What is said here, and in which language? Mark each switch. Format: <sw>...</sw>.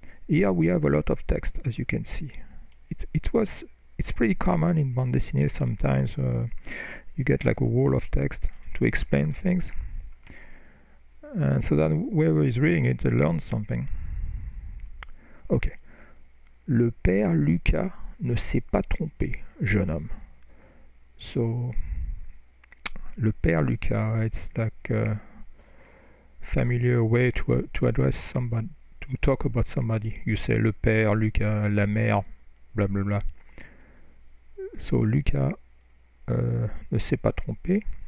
<en>Here we have a lot of text, as you can see. It's pretty common in bande dessinée sometimes. You get like a wall of text to explain things. And so that whoever is reading it learns something. Okay.</en> <fr>Le père Lucas ne s'est pas trompé, jeune homme.</fr> <en>So, le père Lucas, it's like a familiar way to address somebody, to talk about somebody. You say</en> <fr>le père Lucas, la mère, blablabla. So, Lucas ne s'est pas trompé.</fr>